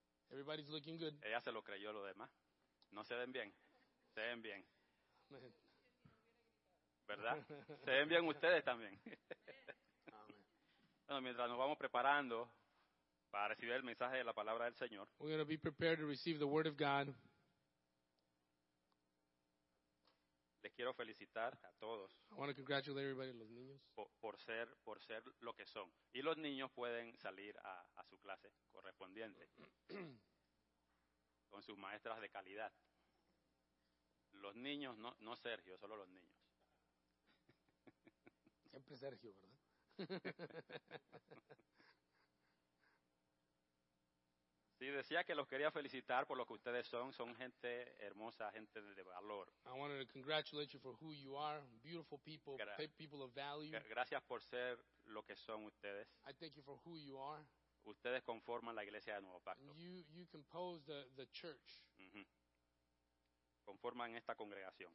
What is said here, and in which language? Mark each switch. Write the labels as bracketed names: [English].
[English] Everybody's looking good. [Spanish] Ella se lo creyó lo demás. No se ven bien. Se ven bien. ¿verdad? Se ven bien ustedes también. Bueno, mientras nos vamos preparando para recibir el mensaje de la palabra del Señor. [English] We're going to be prepared to receive the word of God. [Spanish] Les quiero felicitar a todos. [English] I want to congratulate everybody, [Spanish] los niños. Por ser lo que son. Y los niños pueden salir a su clase correspondiente. Con sus maestras de calidad. Los niños, no Sergio, solo los niños. Siempre Sergio, ¿verdad? Sí, decía que los quería felicitar por lo que ustedes son. Son gente hermosa, gente de valor. [English] I wanted to congratulate you for who you are. Beautiful people, people of value. [Spanish] Gracias por ser lo que son ustedes. [English] I thank you for who you are. [Spanish] Ustedes conforman la iglesia de Nuevo Pacto. [English] You compose the church. [Spanish] Mm-hmm. Conforman esta congregación.